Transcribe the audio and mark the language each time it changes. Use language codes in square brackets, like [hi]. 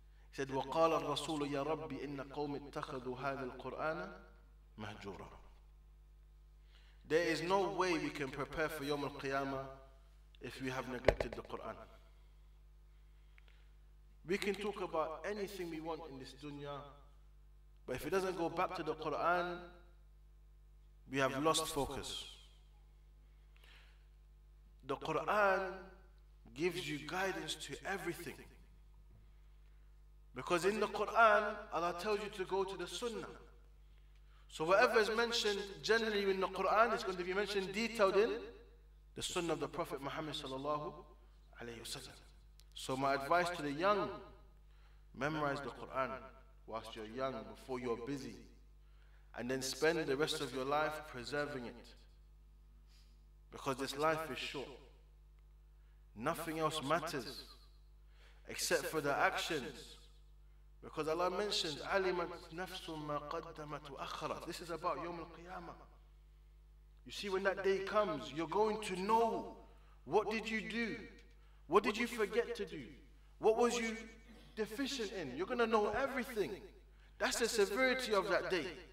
[en] He said, [ar] وَقَالَ الرَّسُولُ يَا رَبِّ إِنَّ قَوْمِ اتَّخَذُوا هَذَا الْقُرْآنَ مَهْجُورًا. [en] There is no way we can prepare for Yawm al-Qiyamah if we have neglected the Quran. We can talk about anything we want in this dunya, but if it doesn't go back to the Quran, we have lost focus. The Quran gives you guidance to everything. Because in the Quran, Allah tells you to go to the Sunnah. So whatever is mentioned generally in the Quran is going to be mentioned detailed in the Sunnah of the Prophet Muhammad sallallahu alayhi wasallam. So my advice to the young, memorize the Quran whilst you're young, before you're busy, and then spend the rest of your life preserving it. Because this life is short. Nothing else matters except for the actions. Because Allah mentions, [ar] عَلِمَتْ نَفْسٌ مَا قَدَّمَتْ وَأَخَّرَتْ. [en] This is about Yawm al-Qiyamah. You see, when that day comes, you're going to know, what did you do? What did you forget to do? What was you deficient in? You're going to know everything. That's the severity of that day.